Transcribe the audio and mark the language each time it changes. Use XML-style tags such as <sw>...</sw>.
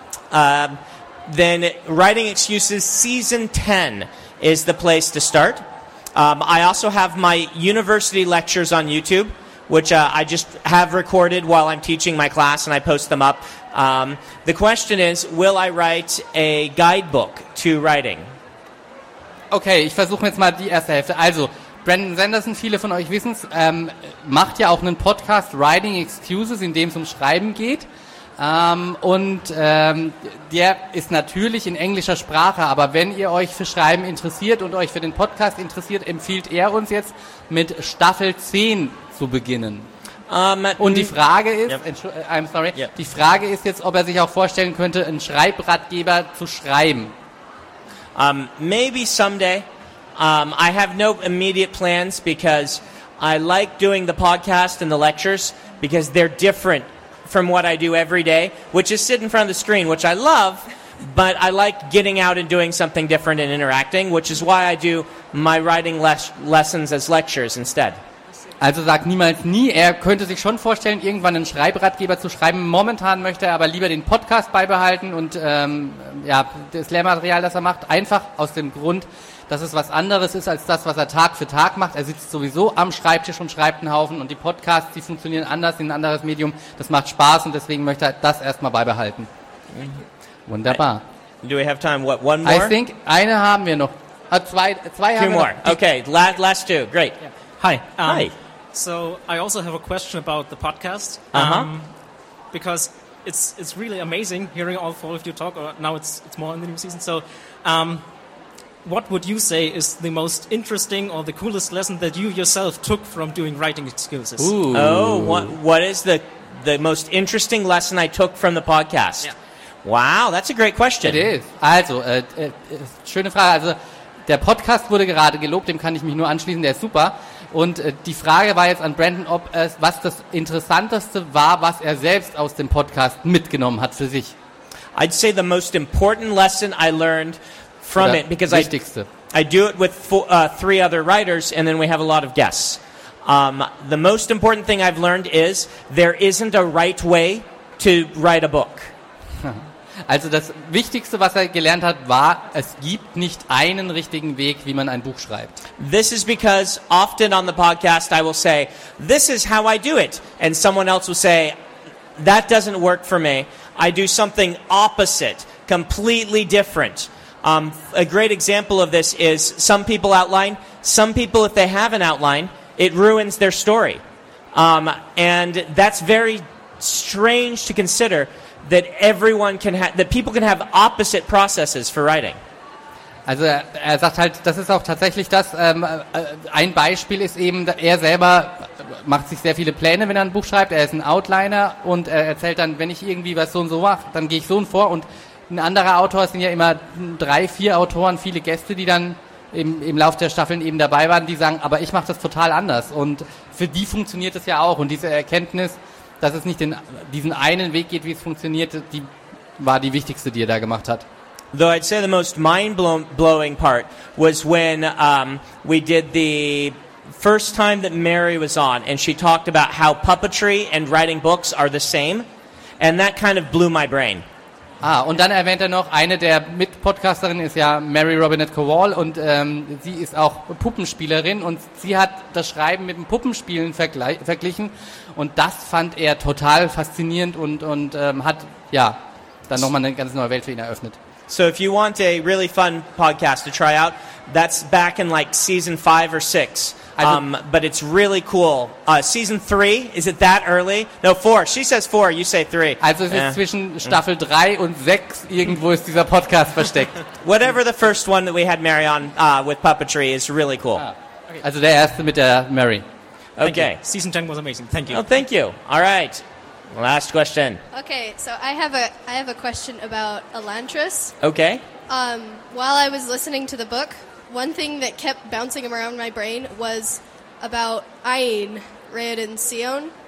<en>Then Writing Excuses Season 10 is the place to start. I also have my university lectures on YouTube, which I just have recorded while I'm teaching my class, and I post them up. The question is, will I write a guidebook to writing?</en> <de>Okay, ich versuche jetzt mal die erste Hälfte. Also, Brandon Sanderson, viele von euch wissen es, macht ja auch einen Podcast Writing Excuses, in dem es um Schreiben geht. Der ist natürlich in englischer Sprache, aber wenn ihr euch für Schreiben interessiert und euch für den Podcast interessiert, empfiehlt er uns jetzt, mit Staffel 10 zu beginnen. Und die Frage ist, die Frage ist jetzt, ob er sich auch vorstellen könnte, einen Schreibratgeber zu schreiben.</de> <en>Maybe someday. I have no immediate plans because I like doing the podcast and the lectures because they're different from what I do every day, which is sit in front of the screen, which I love, but I like getting out and doing something different and interacting, which is why I do my writing lessons as lectures instead.</en> <de>Also sagt niemals nie, er könnte sich schon vorstellen, irgendwann einen Schreibratgeber zu schreiben. Momentan möchte er aber lieber den Podcast beibehalten und das Lehrmaterial, das er macht, einfach aus dem Grund, dass es was anderes ist als das, was er Tag für Tag macht. Er sitzt sowieso am Schreibtisch und schreibt einen Haufen und die Podcasts, die funktionieren anders, sind ein anderes Medium. Das macht Spaß und deswegen möchte er das erstmal beibehalten. Wunderbar.</de> <en>Do we have time? What, one more? I think</en> <de>eine haben wir noch. Zwei haben wir noch.</de> <en>Two more. Okay, last two. Great. Hi. Hi. So I also have a question about the podcast. Because it's really amazing hearing all four of you talk. Or now it's more in the new season. So what would you say is the most interesting or the coolest lesson that you yourself took from doing Writing Excuses? Ooh. Oh, what is the most interesting lesson I took from the podcast? Yeah. Wow, that's a great question. It is.</en> <de>Also, schöne Frage. Also, der Podcast wurde gerade gelobt, dem kann ich mich nur anschließen, der ist super. Und die Frage war jetzt an Brandon, ob es was das Interessanteste war, was er selbst aus dem Podcast mitgenommen hat für sich.</de> <en>I'd say the most important lesson I learned from it, because I do it with three other writers, and then we have a lot of guests. The most important thing I've learned is there isn't a right way to write a book.</en> <de>Also das Wichtigste, was er gelernt hat, war, es gibt nicht einen richtigen Weg, wie man ein Buch schreibt.</de> <en>This is because often on the podcast I will say, this is how I do it. And someone else will say, that doesn't work for me. I do something opposite, completely different. A great example of this is some people outline. Some people, if they have an outline, it ruins their story. And that's very strange to consider that everyone can have, that people can have opposite processes for writing.</en> <de>Also er sagt halt, das ist auch tatsächlich das, ein Beispiel ist eben, er selber macht sich sehr viele Pläne, wenn er ein Buch schreibt, er ist ein Outliner und er erzählt dann, wenn ich irgendwie was so und so mache, dann gehe ich so und vor und ein anderer Autor, es sind ja immer 3-4 Autoren, viele Gäste, die dann im Lauf der Staffeln eben dabei waren, die sagen, aber ich mache das total anders und für die funktioniert es ja auch und diese Erkenntnis, dass es nicht diesen einen Weg geht, wie es funktioniert, die war die wichtigste, die er da gemacht hat.</de> <en>Though I'd say the most mind-blowing part was when we did the first time that Mary was on and she talked about how puppetry and writing books are the same, and that kind of blew my brain.</en> <de>Ah, und dann erwähnt er noch, eine der Mitpodcasterinnen ist ja Mary Robinette Kowal und sie ist auch Puppenspielerin und sie hat das Schreiben mit dem Puppenspielen verglichen und das fand er total faszinierend und hat ja dann nochmal eine ganz neue Welt für ihn eröffnet.</de> <en>So if you want a really fun podcast to try out, that's back in like season 5 or 6. But it's really cool. Season 3, is it that early? No, 4. She says 4, you say 3.</en> <de>Also es ist zwischen Staffel 3 und 6, irgendwo ist dieser Podcast versteckt.</de> <en>Whatever the first one that we had Mary on with puppetry is really cool.</en> <de>Also der erste mit der Mary.</de> <en>Okay. Season 10 was amazing. Thank you. Oh, thank you. All right. Last question. Okay, so I have a question about Elantris. Okay. While I was listening to the book, one thing that kept bouncing around my brain was about Ain, Red, and Sion.</en>